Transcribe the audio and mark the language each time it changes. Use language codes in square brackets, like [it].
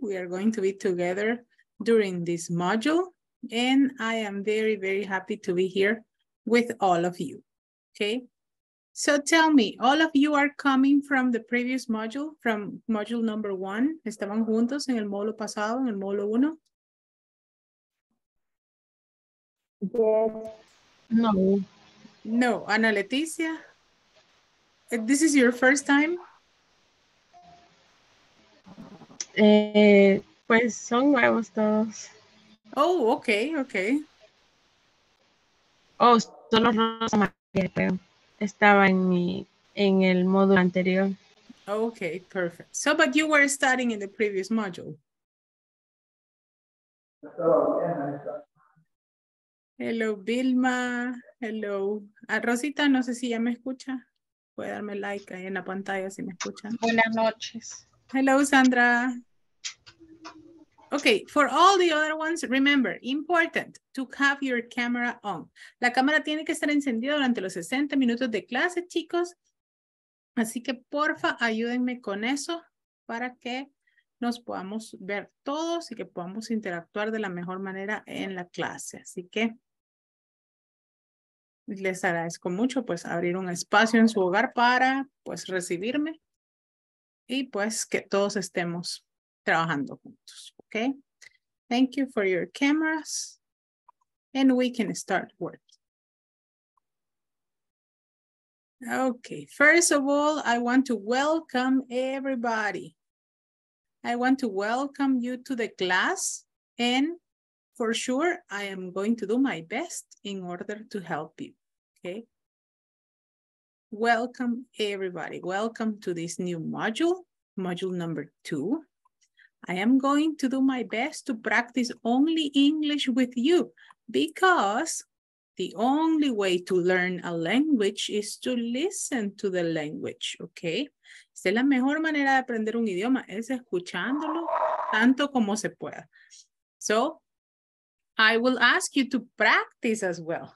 [en] We are going to be together during this module. And I am very, very happy to be here with all of you. Okay. So tell me, all of you are coming from the previous module, from module number one. [es] Estaban juntos en el módulo pasado, en el módulo uno. [en] Yes. No. No, Ana Leticia. This is your first time? [es] Pues son nuevos todos. [en] Oh, okay, okay. [es] Oh, solo Rosa María, creo. Estaba en el módulo anterior. [en] Okay, perfect. So, but you were studying in the previous module. Hello, Vilma. Hello. [es] A Rosita, no sé si ya me escucha. Puede darme like ahí en la pantalla si me escuchan. Buenas noches. [en] Hello, Sandra. Okay, for all the other ones, remember, important to have your camera on. [es] La cámara tiene que estar encendida durante los 60 minutos de clase, chicos. Así que porfa, ayúdenme con eso para que nos podamos ver todos y que podamos interactuar de la mejor manera en la clase. Así que les agradezco mucho, pues, abrir un espacio en su hogar para, pues, recibirme y, pues, que todos estemos trabajando juntos, ¿ok? [en] Thank you for your cameras and we can start work. Okay, first of all, I want to welcome everybody. I want to welcome you to the class and for sure, I am going to do my best in order to help you, okay? Welcome, everybody. Welcome to this new module, module number 2. I am going to do my best to practice only English with you because the only way to learn a language is to listen to the language, okay? [es] Esa es la mejor manera de aprender un idioma, es escuchándolo tanto como se pueda. [en] So, I will ask you to practice as well.